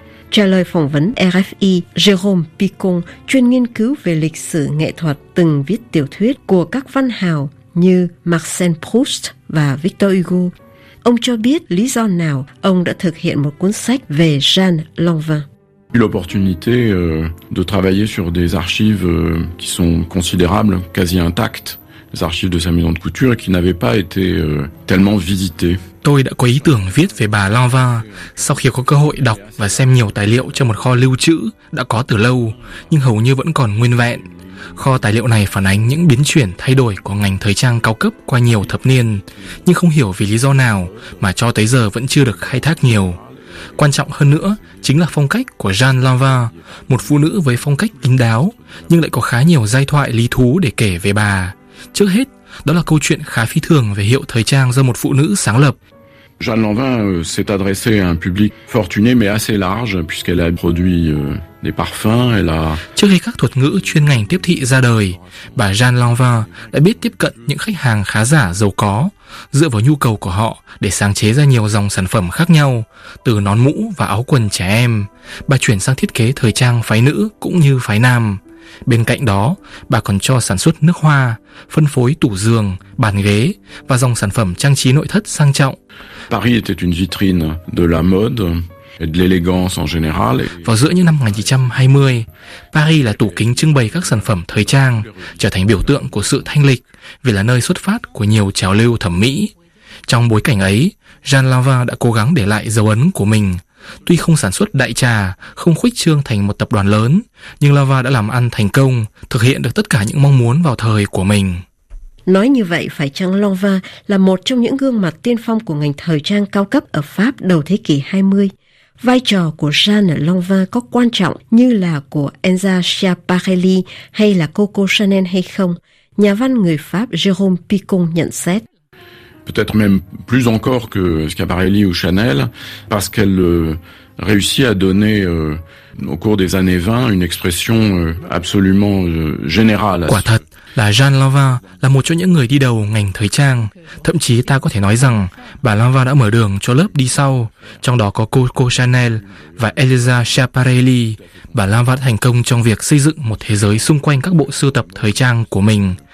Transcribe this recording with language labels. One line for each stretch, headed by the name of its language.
Vietnamese: Trả lời phỏng vấn RFI, Jérôme Picon, chuyên nghiên cứu về lịch sử nghệ thuật, từng viết tiểu thuyết của các văn hào như Marcel Proust và Victor Hugo. Ông cho biết lý do nào ông đã thực hiện một cuốn sách về Jean Lanvin.
French: L'opportunité de travailler sur des archives qui sont considérables, quasi intactes, les archives de sa maison de couture qui n'avaient pas été tellement visitées.
Vietnamese: Tôi đã có ý tưởng viết về bà Lanvin sau khi có cơ hội đọc và xem nhiều tài liệu trong một kho lưu trữ đã có từ lâu, nhưng hầu như vẫn còn nguyên vẹn. Kho tài liệu này phản ánh những biến chuyển thay đổi của ngành thời trang cao cấp qua nhiều thập niên, nhưng không hiểu vì lý do nào mà cho tới giờ vẫn chưa được khai thác nhiều. Quan trọng hơn nữa chính là phong cách của Jeanne Lanvin, một phụ nữ với phong cách kín đáo, nhưng lại có khá nhiều giai thoại lý thú để kể về bà. Trước hết, đó là câu chuyện khá phi thường về hiệu thời trang do một phụ nữ sáng lập.
French: Jeanne Lanvin s'est adressée à un public fortuné mais assez large puisqu'elle a produit des parfums, elle a...
Vietnamese: Trước khi các thuật ngữ chuyên ngành tiếp thị ra đời, bà Jeanne Lanvin đã biết tiếp cận những khách hàng khá giả giàu có, dựa vào nhu cầu của họ để sáng chế ra nhiều dòng sản phẩm khác nhau, từ nón mũ và áo quần trẻ em. Bà chuyển sang thiết kế thời trang phái nữ cũng như phái nam. Bên cạnh đó, bà còn cho sản xuất nước hoa, phân phối tủ giường, bàn ghế và dòng sản phẩm trang trí nội thất sang trọng.
French: Paris était une vitrine de la mode et de l'élégance en général.
Vietnamese: Vào giữa những năm 1920, Paris là tủ kính trưng bày các sản phẩm thời trang, trở thành biểu tượng của sự thanh lịch vì là nơi xuất phát của nhiều trào lưu thẩm mỹ. Trong bối cảnh ấy, Jeanne Lanvin đã cố gắng để lại dấu ấn của mình. Tuy không sản xuất đại trà, không khuếch trương thành một tập đoàn lớn, nhưng Lanvin đã làm ăn thành công, thực hiện được tất cả những mong muốn vào thời của mình. Nói như vậy, phải chăng Lanvin là một trong những gương mặt tiên phong của ngành thời trang cao cấp ở Pháp đầu thế kỷ 20? Vai trò của Jeanne Lanvin có quan trọng như là của Enza Schiaparelli hay là Coco Chanel hay không? Nhà văn người Pháp Jérôme Picon nhận xét.
French: Peut-être même plus encore que Schiaparelli ou Chanel, parce qu'elle réussit à donner au cours des années 20 une expression absolument générale.
Vietnamese: Quả thật là Jeanne Lanvin là một trong những người đi đầu ngành thời trang. Thậm chí ta có thể nói rằng bà Lanvin đã mở đường cho lớp đi sau, trong đó có Coco Chanel và Elisa Schiaparelli. Bà Lanvin đã thành công trong việc xây dựng một thế giới xung quanh các bộ sưu tập thời trang của mình.